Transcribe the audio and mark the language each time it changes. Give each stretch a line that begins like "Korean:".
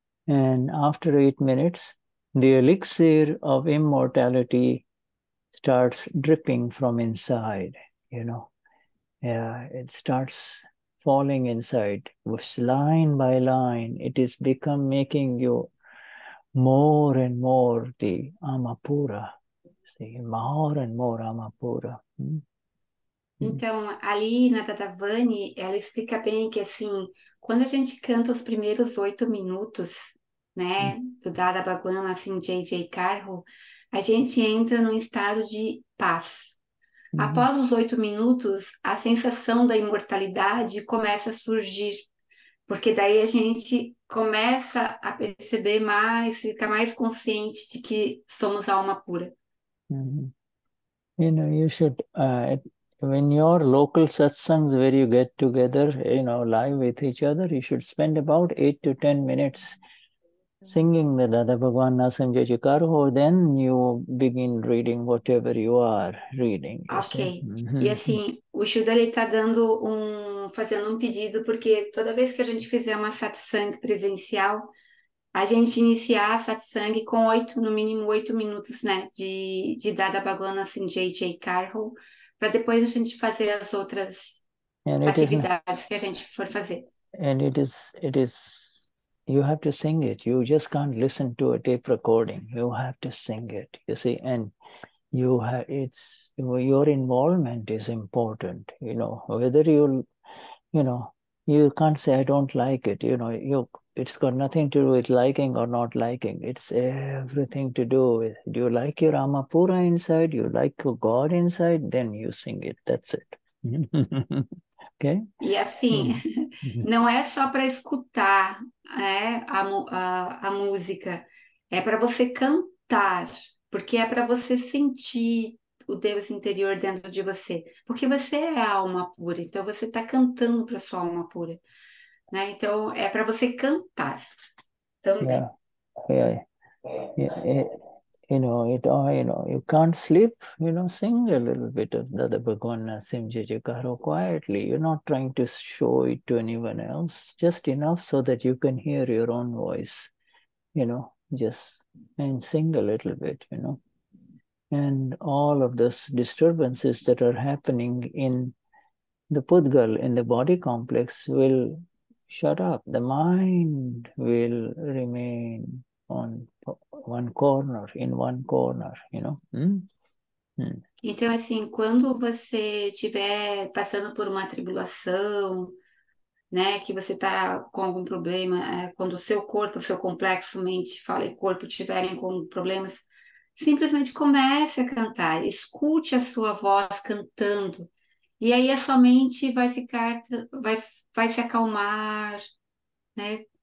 English: And after 8 minutes, the elixir of immortality starts dripping from inside, you know. Yeah, it starts falling inside, line by line. It is become making you more and more the Amapura. See, more and more Amapura.
Portuguese: Então, ali na Dadavani, ela explica bem que, assim, quando a gente canta os primeiros 8 minutos, né, do Dada Bhagwan, assim, J.J. Carro, a gente entra num estado de paz. Após os 8 minutos, a sensação da imortalidade começa a surgir, porque daí a gente começa a perceber mais, fica mais consciente de que somos alma pura.
English: You know, you should, when your local satsangs where you get together, you know, live with each other, you should spend about 8 to 10 minutes singing the
Gujarati: Dada Bhagwan Na Aseem Jai Jai Karo,
English: then you begin reading whatever you are reading. You ok. Mm-hmm.
Portuguese: E assim, o Shuddha ele está dando fazendo um pedido, porque toda vez que a gente fizer uma satsang presencial, a gente iniciar a satsang com no mínimo 8 minutos, né, de
Gujarati: Dada Bhagwan Na Aseem Jai Jai Karo,
Portuguese: para depois a gente fazer as outras atividades que a gente for fazer.
English: And it is. You have to sing it. You just can't listen to a tape recording. You have to sing it, you see. And you have, it's, your involvement is important, you know. Whether you know, you can't say, I don't like it. You know, it's got nothing to do with liking or not liking. It's everything to do with, do you like your Amapura inside? Do you like your God inside? Then you sing it. That's it. Okay?
Portuguese: E assim, não é só para escutar, né, a música, é para você cantar, porque é para você sentir o Deus interior dentro de você, porque você é a alma pura, então você está cantando para sua alma pura, né? Então é para você cantar também.
English: Yeah. You know, it all, you know, you can't sleep, you know, sing a little bit of
Gujarati: Dada Bhagwan Na Aseem Jai Jai Karo
English: quietly. You're not trying to show it to anyone else, just enough so that you can hear your own voice, you know, just and sing a little bit, you know. And all of those disturbances that are happening in the Pudgal, in the body complex, will shut up. The mind will remain on one corner, in one corner, you know.
Portuguese: Então, assim, quando você estiver passando por uma tribulação, né, que você está com algum problema, quando o seu corpo, o seu complexo, mente, fala e corpo tiverem com problemas, simplesmente comece a cantar, escute a sua voz cantando, e aí a sua mente vai ficar, vai se acalmar, né?